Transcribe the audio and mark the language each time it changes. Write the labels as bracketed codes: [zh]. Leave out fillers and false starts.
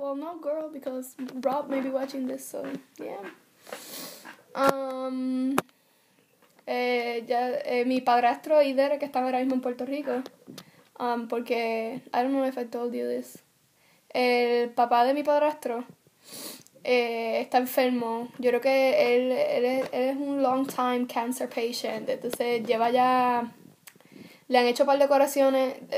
[en] Well, no, girl, because Rob may be watching this, so yeah. [es] Mi padrastro y Derek están ahora mismo en Puerto Rico. [en] Porque I don't know if I told you this. [es] El papá de mi padrastro está enfermo. Yo creo que él es un [en] long time cancer patient. [es] Entonces lleva ya. Le han hecho un par de curaciones.